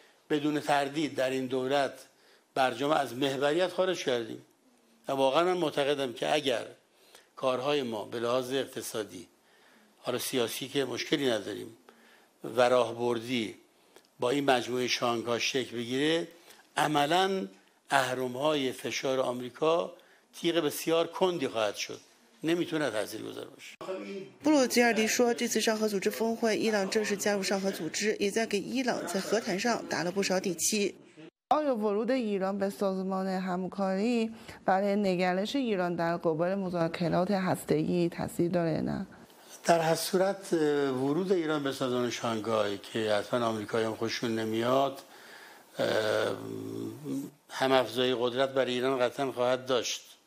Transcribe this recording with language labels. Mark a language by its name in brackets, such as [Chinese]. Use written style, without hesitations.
[Persian] بدون تردید در این دولت برجام از محوریت خارج کردیم و واقعا من معتقدم که اگر کارهای ما به لحاظ اقتصادی حالا سیاسی که مشکلی نداریم و راهبردی با این مجموعه شانگهای شکل بگیره عملا اهرم‌های فشار آمریکا تیغ بسیار کندی خواهد شد。 [Chinese] 布鲁吉尔迪说，这次上合组织峰会，伊朗正式加入上合组织，也在给伊朗在和谈上打了不少底气。 [Persian] آیا ورود ایران به سازمان همکاری برای نگرش ایران در قبال مذاکرات هسته‌ای تاثیر داره نه؟ در هر صورت ورود ایران به سازمان شانگهای که حتما آمریکایی هم خوششون نمیاد، هم افزایی قدرت برای ایران قطعا خواهد داشت.